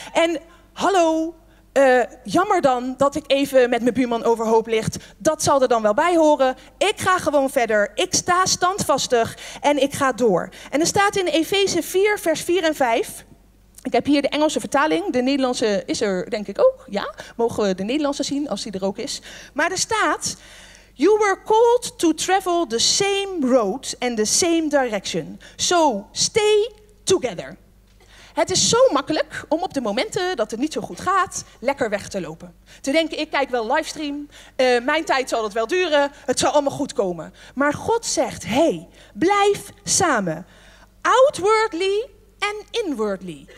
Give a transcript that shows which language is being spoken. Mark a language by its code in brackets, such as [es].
[nl] En hallo, jammer dan dat ik even met mijn buurman overhoop ligt. Dat zal er dan wel bij horen. Ik ga gewoon verder. Ik sta standvastig en ik ga door. En er staat in Efeze 4, vers 4 en 5. Ik heb hier de Engelse vertaling. De Nederlandse is er denk ik ook. Ja, mogen we de Nederlandse zien als die er ook is. Maar er staat, [en] you were called to travel the same road and the same direction. So stay together. [nl] Het is zo makkelijk om op de momenten dat het niet zo goed gaat, lekker weg te lopen. Te denken, ik kijk wel livestream, mijn tijd zal het wel duren, het zal allemaal goed komen. Maar God zegt, hey, blijf samen. [en] Outwardly [nl] en [en] inwardly.